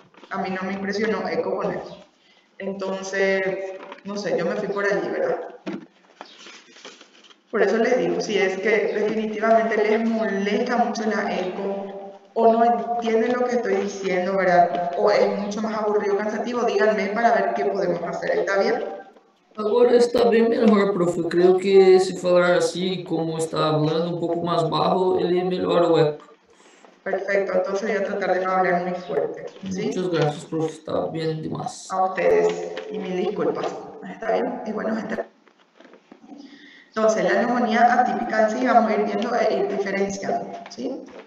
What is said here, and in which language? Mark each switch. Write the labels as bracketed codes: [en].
[es] A mí no me impresionó eco con él. Entonces, no sé, yo me fui por allí, ¿verdad? Por eso les digo, si es que definitivamente les molesta mucho la eco. O no entienden lo que estoy diciendo, ¿verdad? O es mucho más aburrido, cansativo. Díganme para ver qué podemos hacer. ¿Está bien? [pt] Agora está bem melhor, prof. Eu creio que se falar assim, como está falando, um pouco mais barro, ele melhora o eco. [es] Perfecto. Entonces voy a tratar de no hablar muy fuerte, [pt] Muitas [es] ¿sí? [pt] graças, prof. [es] Está bien [pt] demais. [es] A ustedes y mis disculpas. ¿Está bien? Y bueno, gente. Entonces, la neumonía atípica en sí vamos a ir viendo e ir diferenciando, ¿sí?